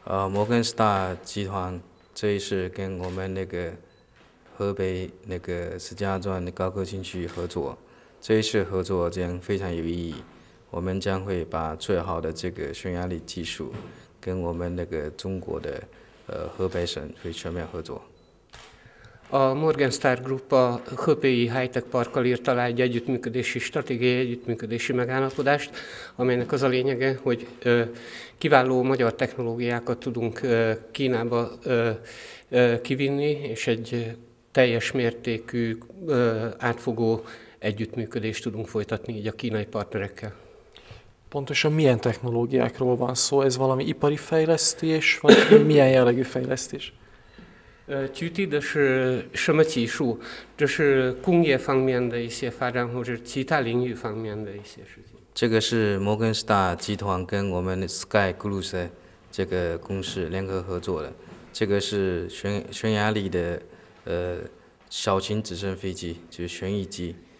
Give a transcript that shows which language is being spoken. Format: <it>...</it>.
<zh>摩根士丹集团这一次跟我们那个河北那个石家庄的高科新区合作，这一次合作将非常有意义。我们将会把最好的这个匈牙利技术跟我们那个中国的河北省会全面合作。</zh> <hu>A Morgenstar Group a Höpélyi High-Tech Parkkal írta alá egy együttműködési stratégiai együttműködési megállapodást, amelynek az a lényege, hogy kiváló magyar technológiákat tudunk Kínába kivinni, és egy teljes mértékű átfogó együttműködést tudunk folytatni így a kínai partnerekkel. Pontosan milyen technológiákról van szó? Ez valami ipari fejlesztés, vagy milyen jellegű fejlesztés?</hu> <zh>具体的是什么技术？这是工业方面的一些发展，或者其他领域方面的一些事情。这个是摩根士丹集团跟我们的 Sky Cruise 这个公司联合合作的。这个是匈牙利的小型直升飞机，就是旋翼机。</zh>